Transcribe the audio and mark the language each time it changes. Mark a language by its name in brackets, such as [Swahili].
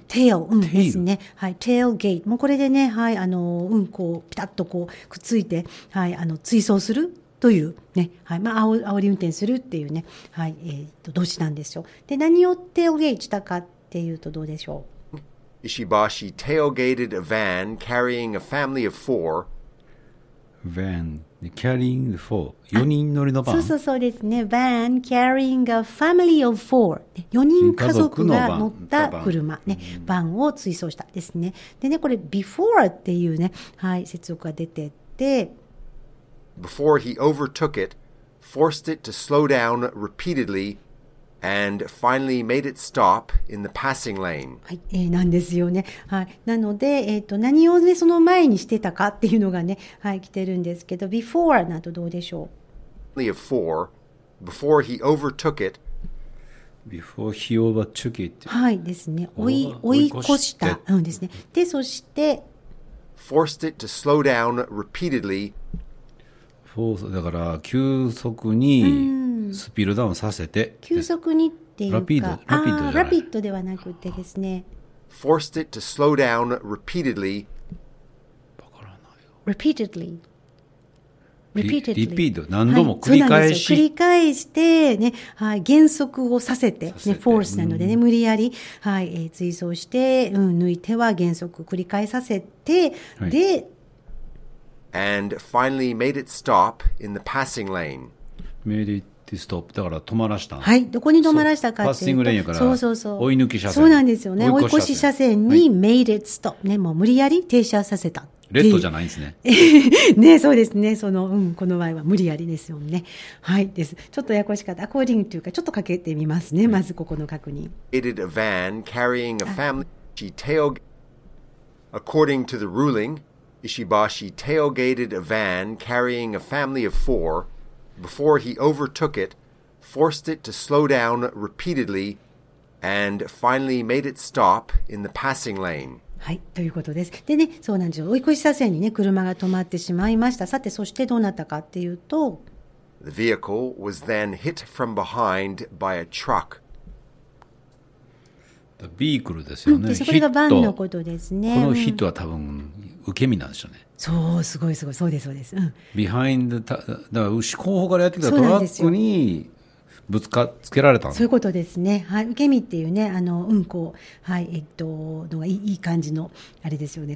[Japanese] テール、うん、ですね。はい、tailgate。もうこれでね、はい、うん、こうピタッとこうくっついて、はい、追走するというね、はい、まあ煽り運転するっていうね、はい、動詞なんですよ。で、何を tailgate したかっていうとどうでしょう。 [English] Ishibashi tailgated a van carrying a family of four. Van carrying four, [Japanese] 4人乗りのバン。そうそうそうですね。 [English] Van carrying a family of four, [Japanese] 4人家族が乗った車、ね、バンを追走したですね。でね、これ before っていうね、はい、接続が出てて、 [English] before he overtook it, forced it to slow down repeatedly, and finally made it stop in the passing lane. [Japanese] はい、なんですよね。はい、なので、何を、ね、その前にしてたかっていうのがね、はい、来てるんですけど、before などどうでしょう。 [English] Before, before he overtook it. Before he overtook it. [Japanese] はいですね。追い越した。うんですね。で、そして、 [English] forced it to slow down repeatedly. [Japanese] Force だから急速にスピードダウンさせて。急速にっていうか、ラピッドではなくてですね。 [English] Forced it to slow down repeatedly. [Japanese] わからないよ。 [English] Repeatedly. [Japanese] リピート何度も繰り返し、はい、繰り返して、ねはい、減速をさせ て、ね、フォースなので、ね、無理やり、はい追走して、うん、抜いては減速繰り返させて、はい、で [English] And finally made it stop in the passing lane. Made it stop. [Japanese] だから止まらした、はい、どこに止まらしたかっていうとパッシングレーンやからそう追い抜き車線そうなんですよね追い越し車線に [English] Made it stop、 [Japanese] はいね、もう無理やり停車させたレッドじゃないんですね。ね、そうですね。その、うん、この場合は無理やりですよね。はい、です。ちょっとややこしかった。 According というか、ちょっとかけてみますね。まずここの確認。 [English] It is a van carrying a family. She tailgated. According to the ruling, Ishibashi tailgated a van carrying a family of four before he overtook it, forced it to slow down repeatedly, and finally made it stop in the passing lane. [Japanese] はいということです。でね、そうなんですよ。追い越し車線にね、車が止まってしまいました。さて、そしてどうなったかっていうと、 [English] The vehicle was then hit from behind by a truck. The vehicle [Japanese] ですよね。うん、でこれがバンのことですね。このヒットは多分受け身なんでしょうね。そうすごいすごいそうですそうです。うん、 behind だから後方からやってきたトラックに。ぶつかつけられたの。そういうことですね。はい、受け身っていうね、あの、うん、こう、はい、のがいい感じの、あれですよね。